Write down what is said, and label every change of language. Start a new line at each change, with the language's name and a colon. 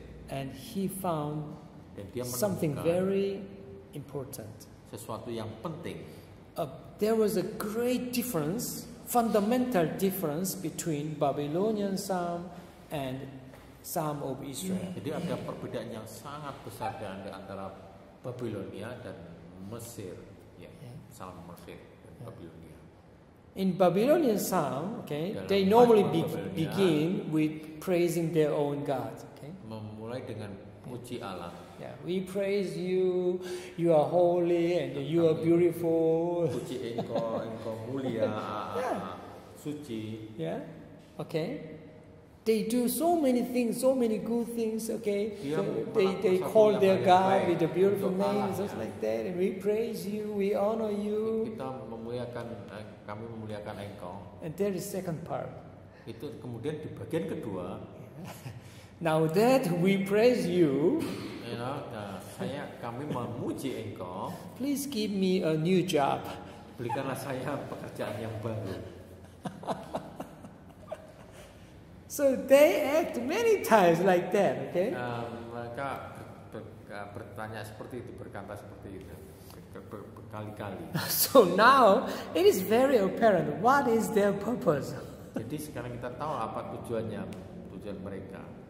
English: And he found something very important.
Indonesian: Sesuatu yang penting.
English: There was a great difference, fundamental difference between Babylonian psalm and psalm of Israel.
Indonesian: Jadi ada perbedaan yang sangat besar di antara Babylonia dan Mesir, psalm Mesir dan Babylonia.
English: In Babylonian psalm, okay, they normally begin with praising their own God. Okay.
Indonesian: Memulai dengan puji Allah.
English: Yeah, we praise you. You are holy and you are beautiful.
Indonesian: Puji engkau mulia, suci.
English: Yeah, okay. They do so many things, so many good things. Okay, they call their God with a beautiful name, just like that. And we praise you, we honor you.
Indonesian: Kita memuliakan, kami memuliakan engkau.
English: And there is second part.
Indonesian: Itu kemudian di bagian kedua.
English: Now that we praise you, you know,
Indonesian: saya kami memuji engkau.
English: Please give me a new job.
Indonesian: Berikanlah saya pekerjaan yang baru.
English: So they act many times like that, okay?
Indonesian: Mereka bertanya seperti itu, berkata seperti itu berkali-kali.
English: So now it is very apparent what is their purpose.
Indonesian: Jadi sekarang kita tahu apa tujuannya, tujuan mereka.